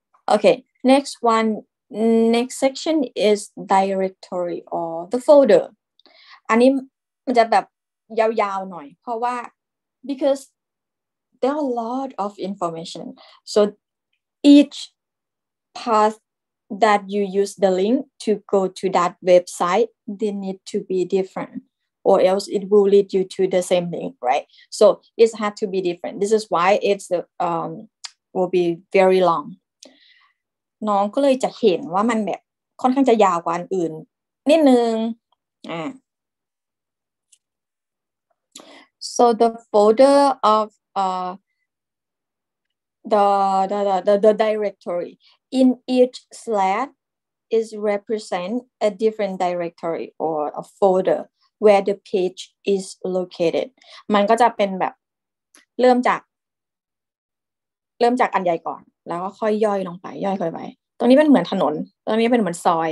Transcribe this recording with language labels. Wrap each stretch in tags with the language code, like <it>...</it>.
<en>Okay next one next section is directory or the folder</en> <th>อันนี้มันจะแบบยาวๆหน่อยเพราะว่า</th> <en>because there are a lot of information so each pathThat you use the link to go to that website, they need to be different, or else it will lead you to the same link, right? So it had to be different. This is why it's will be very long.</en> <th>น้องก็เลยจะเห็นว่ามันแบบค่อนข้างจะยาวกว่าอื่นนิดนึง</th> <en>So the folder of the directory. In each slot is represent a different directory or a folder where the page is located.</en> <th>มันก็จะเป็นแบบเริ่มจากอันใหญ่ก่อนแล้วก็ค่อยย่อยลงไปย่อยค่อยไปตรงนี้เป็นเหมือนถนนตรงนี้เป็นเหมือนซ</th>